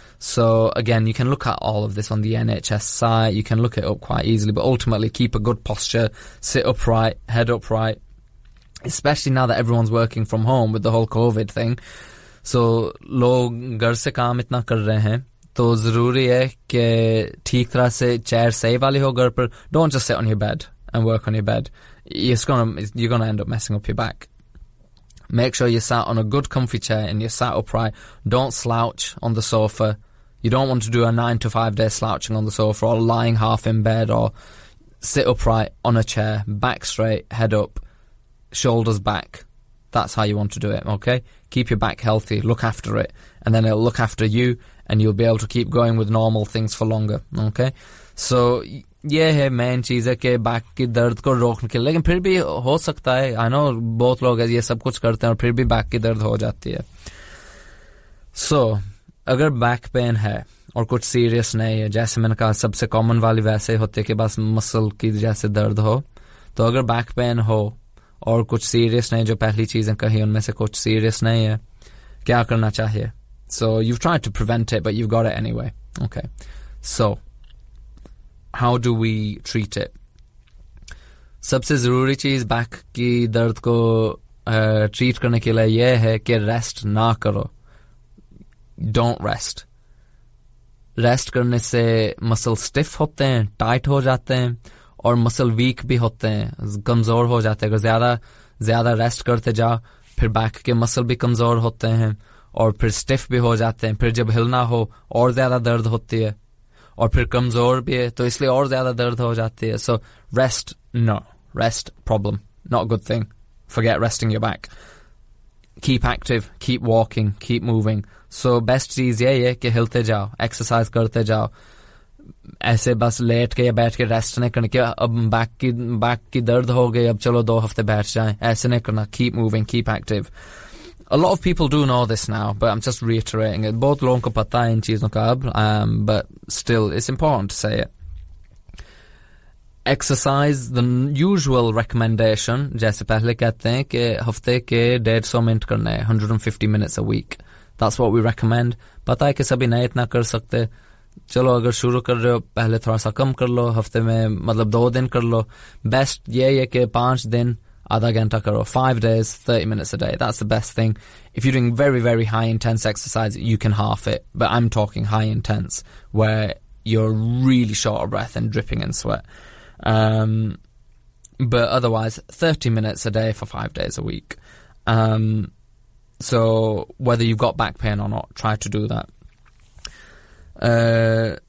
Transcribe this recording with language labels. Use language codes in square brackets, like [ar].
[en] So again you can look at all of this on the NHS site, you can look it up quite easily, but ultimately keep a good posture, sit upright, head upright, specially now that everyone's working from home with the whole covid thing. [hi] सो लोग घर से काम इतना कर रहे हैं, तो जरूरी है कि ठीक तरह से चेयर सही वाली हो घर पर. [en] Don't just sit on your bed and work on your bed, you're gonna end up messing up your back. Make sure you're sat on a good comfy chair and you're sat upright. Don't slouch on the sofa. You don't want to do a 9-to-5 day slouching on the sofa, or lying half in bed, or sit upright on a chair, back straight, head up, shoulders back. That's how you want to do it, okay? Keep your back healthy, look after it, and then it'll look after you, and you'll be able to keep going with normal things for longer, okay? [hi] So ये है main चीज है कि back की दर्द को रोकने के, लेकिन फिर भी हो सकता है. आई नो बहुत लोग ये सब कुछ करते हैं और फिर भी बैक की दर्द हो जाती है. सो अगर बैक पेन है और कुछ सीरियस नहीं है, जैसे मैंने कहा सबसे कॉमन वाली वैसे होती है कि बस मसल की जैसे दर्द हो, तो अगर बैक पेन हो और कुछ सीरियस नहीं, जो पहली चीजें कही उनमें से कुछ सीरियस नहीं है, क्या करना चाहिए? [en] So you try to prevent it, but you got it anyway. Okay, so How do we treat it? [hi] सबसे जरूरी चीज बैक की दर्द को ट्रीट करने के लिए यह है कि रेस्ट ना करो. [en] Don't rest. [hi] रेस्ट करने से मसल स्टिफ होते हैं, टाइट हो जाते हैं, और मसल वीक भी होते हैं, कमजोर हो जाते हैं. अगर ज्यादा ज्यादा रेस्ट करते जाओ, फिर बैक के मसल भी कमजोर होते हैं, और फिर स्टिफ भी हो जाते हैं, फिर जब हिलना हो और ज्यादा दर्द होती है, और फिर कमजोर भी है तो इसलिए और ज्यादा दर्द हो जाती है. [en] So rest, no rest problem, not good thing, forget resting your back, keep active, keep walking, keep moving. [hi] So best चीज यही है कि हिलते जाओ, एक्सरसाइज करते जाओ, ऐसे बस लेट के या बैठ के रेस्ट नहीं करना कि अब बैक की दर्द हो गई, अब चलो दो हफ्ते बैठ जाए, ऐसे नहीं करना. [en] Keep moving, keep active. A lot of people do know this now, but I'm just reiterating it. Both [hi] लोगों को पता है इन चीजों का अब, [en] but still, it's important to say it. Exercise, the usual recommendation, [hi] जैसे पहले कहते हैं कि हफ्ते के 150 मिनट करने, [en] 150 minutes a week. That's what we recommend. [hi] पता है कि सभी नहीं इतना कर सकते. चलो अगर शुरू कर रहे हो, पहले थोड़ा सा कम कर लो, हफ्ते में मतलब 2 दिन कर लो. बेस्ट ये है कि 5 दिन आधा घंटा करो, [en] 5 days, 30 minutes a day. That's the best thing. If you're doing very, very high intense exercise, you can half it. But I'm talking high intense, where you're really short of breath and dripping in sweat. But otherwise, 30 minutes a day for 5 days a week. So whether you've got back pain or not, try to do that.